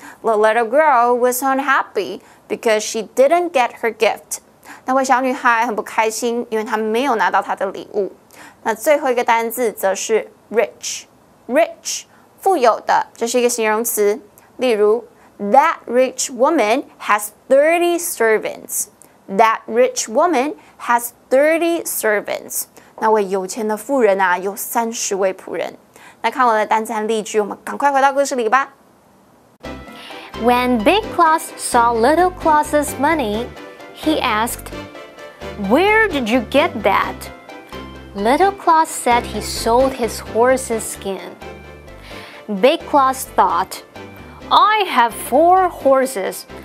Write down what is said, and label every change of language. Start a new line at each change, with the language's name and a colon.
English: The little girl was unhappy because she didn't get her gift.
Chinese: 那位小女孩很不开心，因为她没有拿到她的礼物。那最后一个单字则是 rich. Rich, 富有的，这是一个形容词。例如
English: ,That rich woman has 30 servants. That rich woman has 30 servants.
Chinese: 那位有钱的妇人啊，有三十位仆人。那看我的单词和例句，我们赶快回到故事里吧。
English: When Big Claus saw Little Claus's money, he asked, "Where did you get that?" Little Claus said he sold his horse's skin. Big Claus thought, "I have four horses.